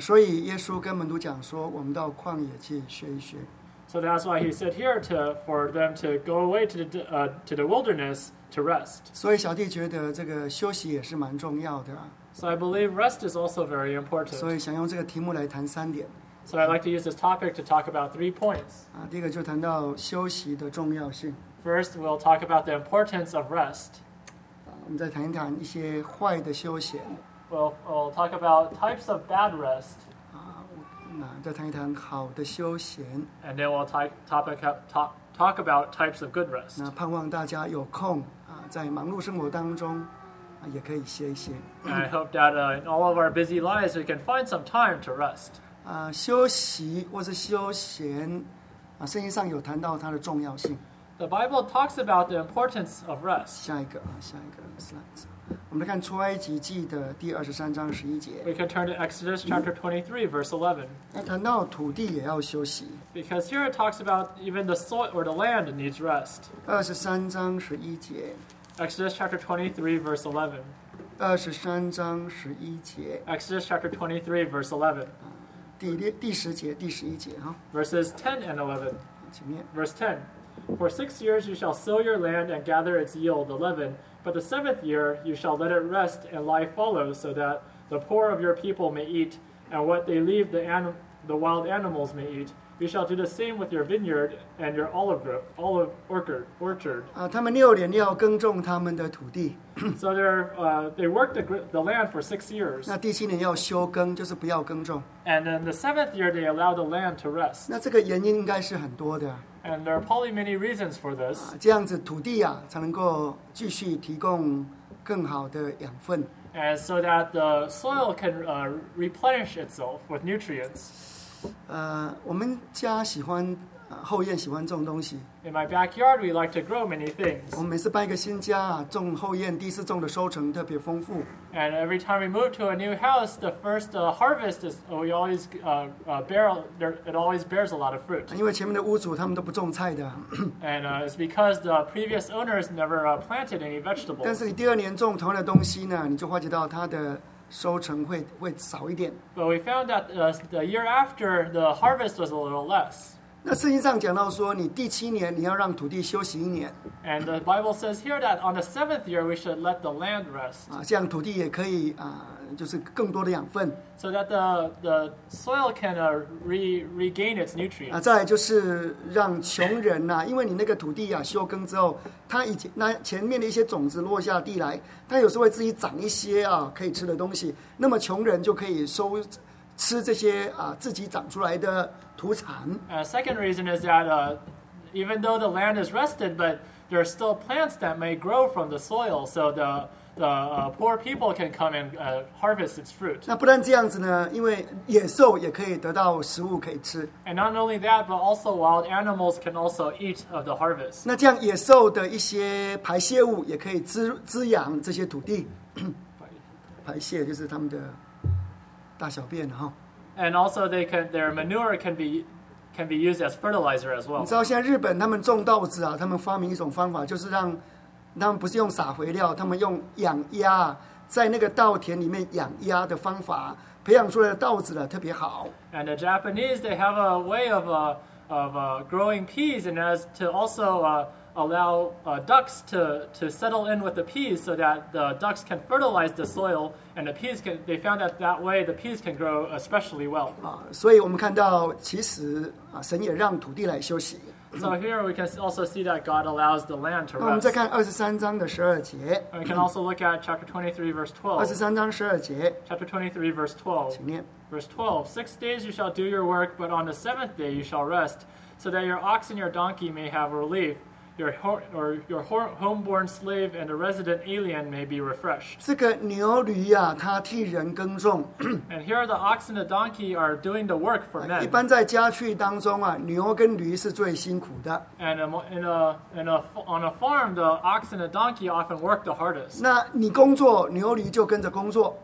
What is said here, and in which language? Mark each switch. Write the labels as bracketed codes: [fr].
[zh] 所以耶稣跟门徒讲说，我们到旷野去学一学。 [en] So that's why he said here to for them to go away to the wilderness to rest. [zh] 所以小弟觉得这个休息也是蛮重要的。 [en] So I believe rest is also very important. [zh] 所以想用这个题目来谈三点。 [en] So I'd like to use this topic to talk about three points. [zh] 第一个就谈到休息的重要性。 [en] First, we'll talk about the importance of rest. [zh] 我们再谈一谈一些坏的休闲。 [en] We'll talk about types of bad rest. [zh] 再谈一谈好的休闲。 [en] And then we'll talk about types of good rest. [zh] 那盼望大家有空在忙碌生活当中也可以歇一歇。 [en] I hope that in all of our busy lives we can find some time to rest. [zh] 休息或是休闲圣经上有谈到它的重要性。 [en] The Bible talks about the importance of rest. [zh] 下一个 slide. 我们来看出埃及记的第二十三章十一节。 [en] We can turn to Exodus chapter 23, verse 11. [zh] 那谈到土地也要休息。 [en] Because here it talks about even the soil or the land needs rest. [zh] 二十三章十一节。 [en] Exodus chapter 23, verse 11. [zh] 二十三章十一节。 [en] Exodus chapter 23, verse 11. [zh] 第十节哈。 [en] Verses 10 and 11. [zh] 前面。 [en] Verse 10. For 6 years you shall sow your land and gather its yield, 11. But the seventh year you shall let it rest and lie fallow so that the poor of your people may eat and what they leave the wild animals may eat. You shall do the same with your vineyard and your olive orchard. [zh] 他们六年要耕种他们的土地。 [en] So they worked the land for 6 years. [zh] 那第七年要休耕，就是不要耕种。 [en] And then the seventh year they allowed the land to rest. [zh] 那这个原因应该是很多的。 [en] And there are probably many reasons for this. [zh] 这样子土地才能够继续提供更好的养分。 [en] And so that the soil can replenish itself with nutrients. [zh] 我们家喜欢后院喜欢种东西。 [en] In my backyard, we like to grow many things. [zh] 我们每次搬一个新家种后院，第一次种的收成特别丰富。 [en] And every time we move to a new house, the first harvest is we always it always bears a lot of fruit. [zh] 因为前面的屋主他们都不种菜的。 [en] And it's because the previous owners never planted any vegetables. [zh] 但是你第二年种同样的东西呢，你就发觉到它的收成会少一点。 [en] But we found that the year after the harvest was a little less. [zh] 那圣经上讲到说，你第七年你要让土地休息一年。 [en] And the Bible says here that on the seventh year we should let the land rest. [zh] 这样土地也可以就是更多的养分。 [en] So that the soil can regain its nutrients. [zh] 再来就是让穷人因为你那个土地休耕之后，它以前那前面的一些种子落下地来，它有时候会自己长一些可以吃的东西，那么穷人就可以收。吃这些自己长出来的土产。 [en] Second reason is that even though the land is rested, but there are still plants that may grow from the soil, so the poor people can come and harvest its fruit. [zh] 那不但这样子呢，因为野兽也可以得到食物可以吃。 [en] And not only that, but also wild animals can also eat of the harvest. [zh] 那这样野兽的一些排泄物也可以滋养这些土地。排泄就是他们的。大小便 [en] and also they can their manure can be can be used as fertilizer as well. [zh] 你知道现在日本他们种稻子啊，他们发明一种方法，就是让他们不是用撒肥料，他们用养鸭，在那个稻田里面养鸭的方法，培养出来的稻子呢特别好。 [en] And the Japanese, they have a way of growing peas, and as to also allow ducks to settle in with the peas, so that the ducks can fertilize the soil, and the peas can. They found that way the peas can grow especially well. [zh] 啊，所以我们看到其实啊，神也让土地来休息。 [en] So here we can also see that God allows the land to rest. [zh] 那我们再看23章的十二节。 [en] We can also look at chapter 23, verse 12. [zh] 23章十二节。 [en] Chapter 23, verse 12. [zh] 请念。 [en] Verse 12. 6 days you shall do your work, but on the seventh day you shall rest, so that your ox and your donkey may have relief, your homeborn slave and the resident alien may be refreshed. [zh] 这个牛驴啊，它替人耕种。 [en] And here the ox and the donkey are doing the work for men. [zh] 一般在家畜当中啊，牛跟驴是最辛苦的。 [en] And on a farm, the ox and the donkey often work the hardest. [zh] 那你工作，牛驴就跟着工作。